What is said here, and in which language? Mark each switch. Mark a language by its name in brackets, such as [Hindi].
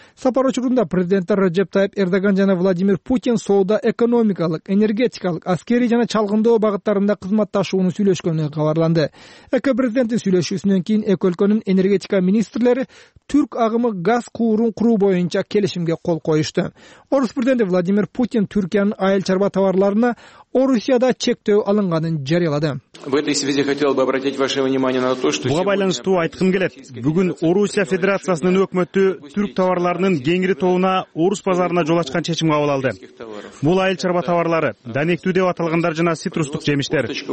[Kyrgyz] Сапар учурунда президенттер Реджеп Тайип Эрдоган жана Владимир Путин соода, экономикалык, энергетикалык, аскерий жана чалгындоо багыттарында кызматташууну сүйлөшкөнү кабарланды. Эки президенттин сүйлөшүүсүнөн кийин эки өлкөнүн энергетика министрлери түрк агымы газ куурун куруу боюнча келишимге кол коюшту. Орус президенти Владимир Путин Түркиянын айыл чарба товарларына Орусияда чектөө алынганын жарыялады. [Russian] В этой связи хотел бы обратить ваше внимание на то, что [Kyrgyz] буга байланыштуу айткым келет. Бүгүн Орусия Федерациясынын өкмөтү түрк товарларынын кеңири тобуна орус базарына жол ачкан чечим кабыл алды. Бул айыл чарба товарлары, данектүү деп аталгандар жана цитрустук жемиштер.